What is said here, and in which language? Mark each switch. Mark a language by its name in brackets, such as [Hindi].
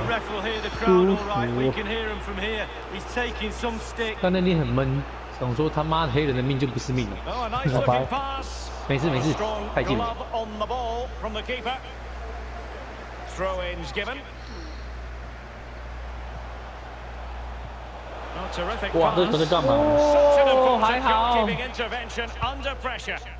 [English] the ref will hear the crowd, all right. We can hear him from here. He's taking some stick. [Chinese] 刚才你很闷，想说他妈黑人的命就不是命了。 [English] Oh, a nice looking pass. [Chinese] 没事没事，太近了。 [English] Glove on the ball from the keeper. Throw-in's given. Oh, terrific pass. [Chinese] 哇，这球在干嘛？哦，还好。 [English] Keeping intervention under pressure.